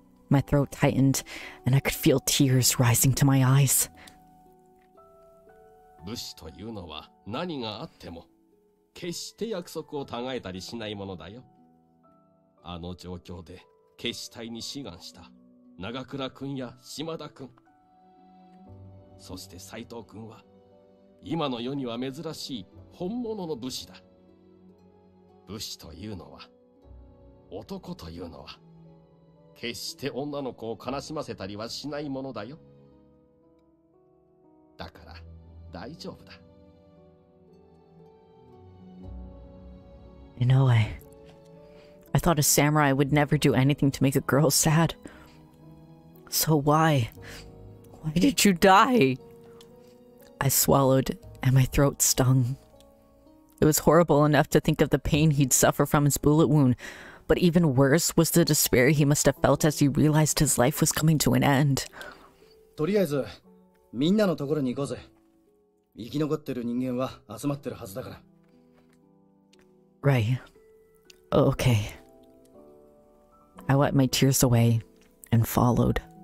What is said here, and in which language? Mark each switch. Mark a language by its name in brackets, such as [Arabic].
[English] My throat tightened, and I could feel tears rising to my eyes. [Japanese] 武士というのは何があっても決して約束をたがえたりしないものだよ。あの状況で決死隊に志願した長倉君や島田君、そして斉藤君は今の世には珍しい本物の武士だ。武士というのは、男というのは決して女の子を悲しませたりはしないものだよ。だから大丈夫だ。 [English] In a way, I thought a samurai would never do anything to make a girl sad. So why? Why did you die? I swallowed and my throat stung. It was horrible enough to think of the pain he'd suffer from his bullet wound, but even worse was the despair he must have felt as he realized his life was coming to an end. [Japanese] とりあえず、みんなのところに行こうぜ。生き残ってる人間は集まってるはずだから。 [English] Right. Okay. I wiped my tears away and followed.